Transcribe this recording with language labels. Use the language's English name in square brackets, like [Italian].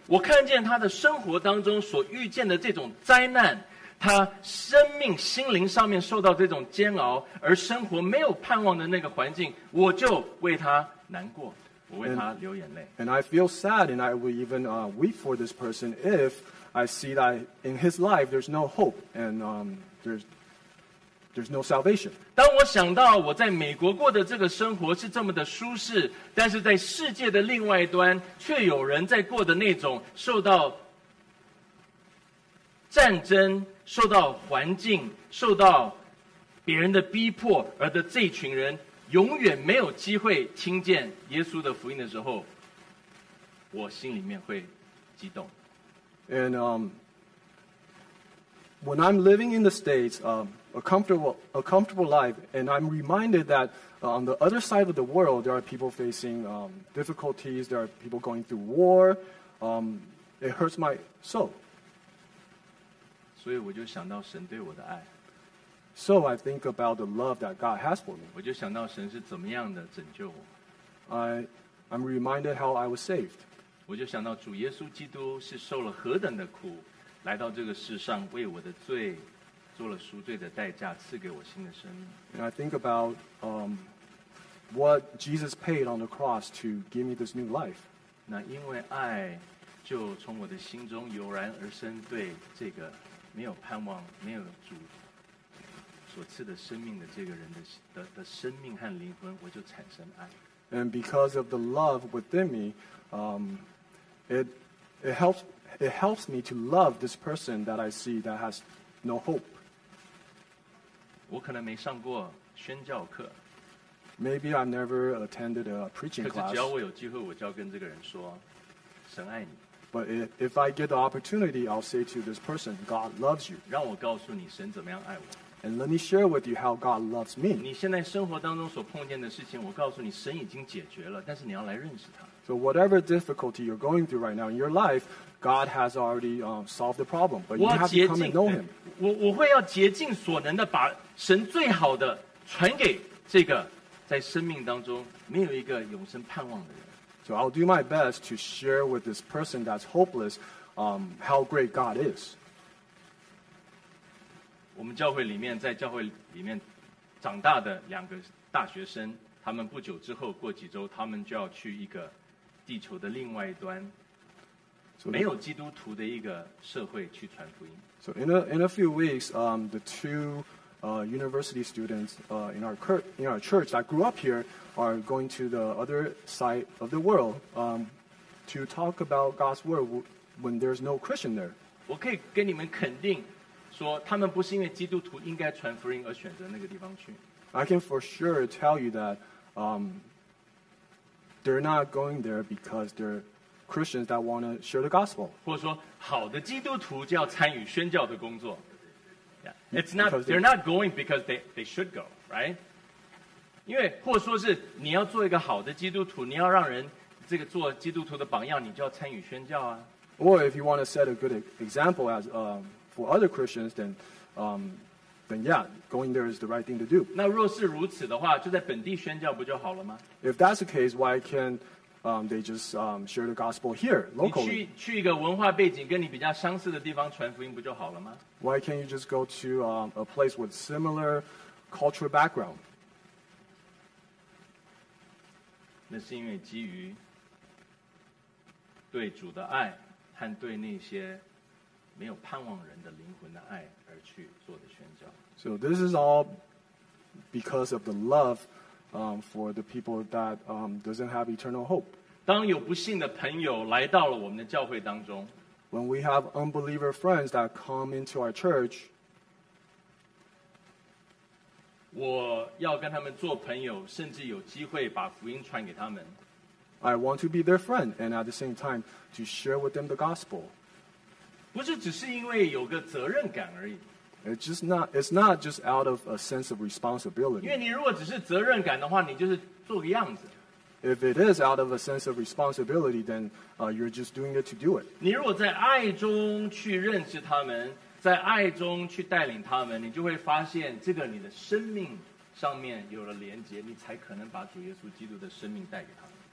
[Chinese] 我看见他的生活当中所遇见的这种灾难，他生命心灵上面受到这种煎熬，而生活没有盼望的那个环境，我就为他难过，我为他流眼泪。 [English] And I feel sad and I will even weep for this person if I see that in his life there's no hope and there's no salvation. [Chinese] 当我想到我在美国过的这个生活是这么的舒适，但是在世界的另外一端却有人在过的那种受到战争、受到环境、受到别人的逼迫而的这群人永远没有机会听见耶稣的福音的时候，我心里面会激动。 [English] And when I'm living in the States, a comfortable life, and I'm reminded that On the other side of the world, there are people facing difficulties. There are people going through war. It hurts my soul. [Chinese] 所以我就想到神对我的爱。 [English] So I think about the love that God has for me. [Chinese] 我就想到神是怎么样的拯救我。 [English] I'm reminded how I was saved. [Chinese] 我就想到主耶稣基督是受了何等的苦，来到这个世上为我的罪。做了赎罪的代价，赐给我新的生命。 [English] And I think about what Jesus paid on the cross to give me this new life. [Chinese] 那因为爱，就从我的心中油然而生对这个没有盼望、没有主所赐的生命的这个人的生命和灵魂，我就产生爱。 [English] And because of the love within me, it helps me to love this person that I see that has no hope. [Chinese] 我可能没上过宣教课。 [English] Maybe I never attended a preaching class. [Chinese] 可是只要我有机会，我就要跟这个人说，神爱你。 [English] But if I get the opportunity, I'll say to this person, God loves you. [Chinese] 让我告诉你神怎么样爱我。 [English] And let me share with you how God loves me. [Chinese] 你现在生活当中所碰见的事情，我告诉你神已经解决了，但是你要来认识他。 [English] So whatever difficulty you're going through right now in your life, God has already solved the problem. But you have to come and know him. [Chinese] 我会要竭尽所能的把神最好的传给这个在生命当中没有一个永生盼望的人。 [English] So I'll do my best to share with this person that's hopeless, how great God is. [Chinese] 我们教会里面，在教会里面长大的两个大学生，他们不久之后，过几周，他们就要去一个地球的另外一端。没有基督徒的一个社会去传福音。 [English] So in a few weeks, the two university students in our church that grew up here are going to the other side of the world to talk about God's word when there's no Christian there. [Chinese] 我可以跟你们肯定说，他们不是因为基督徒应该传福音而选择那个地方去。 [English] I can for sure tell you that they're not going there because they're. Christians that want to share the gospel. [Chinese] 或者说，好的基督徒就要参与宣教的工作。 [English] Yeah. It's not, they're not going because they should go, right? [Chinese] 因为或者说是你要做一个好的基督徒，你要让人这个做基督徒的榜样，你就要参与宣教啊。 [English] Or if you want to set a good example as for other Christians, then yeah, going there is the right thing to do. [Chinese] 那若是如此的话，就在本地宣教不就好了吗？ [English] If that's the case, why can't they just share the gospel here, locally. [Chinese] 你去一个文化背景跟你比较相似的地方传福音不就好了吗？ [English] Why can't you just go to a place with similar cultural background? [Chinese] 那是因为基于对主的爱和对那些没有盼望人的灵魂的爱而去做的宣教。 [English] So this is all because of the love for the people that doesn't have eternal hope. [Chinese] 当有不幸的朋友来到了我们的教会当中， [English] When we have unbeliever friends that come into our church, [Chinese] 我要跟他们做朋友，甚至有机会把福音传给他们。 [English] I want to be their friend and at the same time to share with them the gospel. [Chinese] 不是只是因为有个责任感而已。 [English] It's not just out of a sense of responsibility. [Chinese] 因为你如果只是责任感的话，你就是做个样子。 [English] If it is out of a sense of responsibility, then you're just doing it to do it. [Chinese] 你如果在爱中去认识他们，在爱中去带领他们，你就会发现这个你的生命上面有了连结，你才可能把主耶稣基督的生命带给他们。